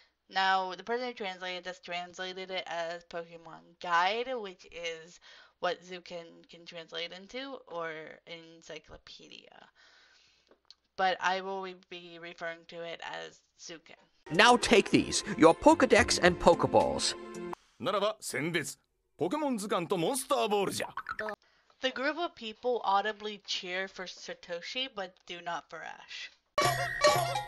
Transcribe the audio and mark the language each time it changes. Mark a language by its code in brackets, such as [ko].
[en] Now, the person who translated this translated it as Pokemon Guide, which is what Zuken can translate into, or Encyclopedia. But I will be referring to it as Zuken. Now take these, your Pokedex and Pokeballs. [ja] ならば選別、ポケモン図鑑とモンスターボールじゃ! [en] The group of people audibly cheer for Satoshi, but do not for Ash.